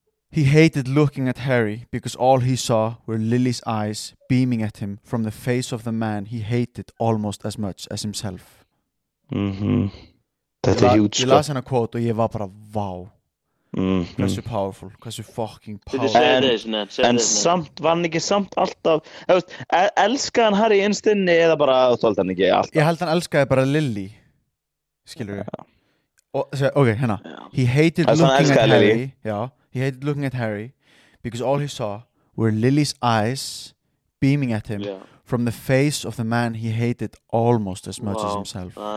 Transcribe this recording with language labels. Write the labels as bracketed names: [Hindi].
[English] He hated looking at Harry because all he saw were Lily's eyes beaming at him from the face of the man he hated almost as much as himself. [Icelandic] Þetta er hjútt, sko. Ég las hennar kvót og ég var bara, wow. Hversu powerful, hversu fucking powerful. En samt, var hann ekki samt alltaf, elskaði hann Harry innstinni eða bara þoldi hann ekki alltaf? Ég held hann elskaði bara Lily, skilur við. Ok, hérna. [English] He hated looking at Harry. Já, he hated looking at Harry because all he saw were Lily's eyes beaming at him from the face of the man he hated almost as much as himself.